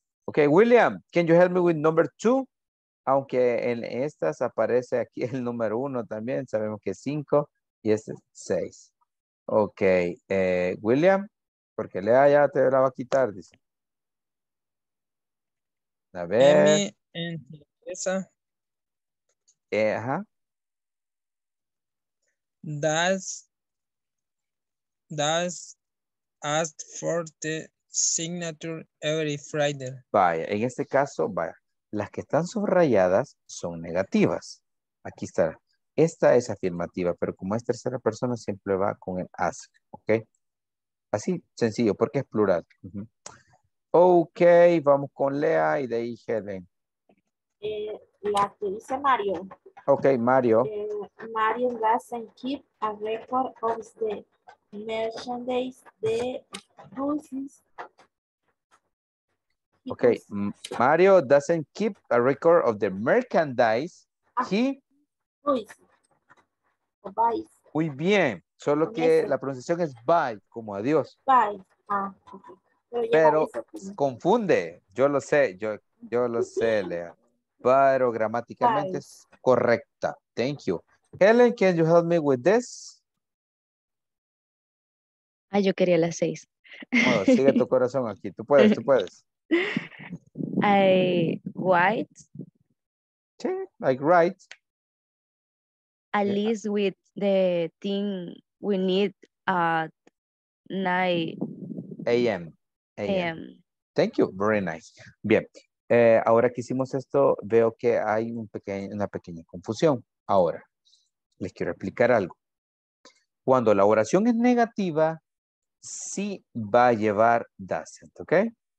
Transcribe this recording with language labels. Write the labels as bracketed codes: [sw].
[en] Okay, William, can you help me with number two? [es] Aunque en estas aparece aquí el número uno también, sabemos que es cinco y este es seis. Okay, William, porque Lea ya te la va a quitar, dice. A ver. Amy en esa. Ajá. [en] Does ask for the signature every Friday. [es] Vaya, en este caso, vaya, las que están subrayadas son negativas. Aquí está. Esta es afirmativa, pero como es tercera persona, siempre va con el ask, ¿ok? Así, sencillo, porque es plural. Ok, vamos con Lea y de ahí Helen. La que dice Mario. Ok, Mario. [en] Mario doesn't keep a record of the merchandise the buses. Ok, Mario doesn't keep a record of the merchandise. He buys. [es] Muy bien, solo con que ese. La pronunciación es buy, como adiós. [en] Buy. [es] Pero confunde, yo lo sé, Lea. Pero gramaticalmente es correcta. [en] Thank you. Helen, can you help me with this? [es] Ah, yo quería las 6. Bueno, sigue tu corazón aquí. Tú puedes. [en] I write. [es] Sí, [en] like write. At least with the thing we need at 9 a.m. Thank you. Very nice. [es] Bien. Ahora que hicimos esto, veo que hay una pequeña confusión. Ahora, les quiero explicar algo. Cuando la oración es negativa, sí va a llevar doesn't, ¿ok?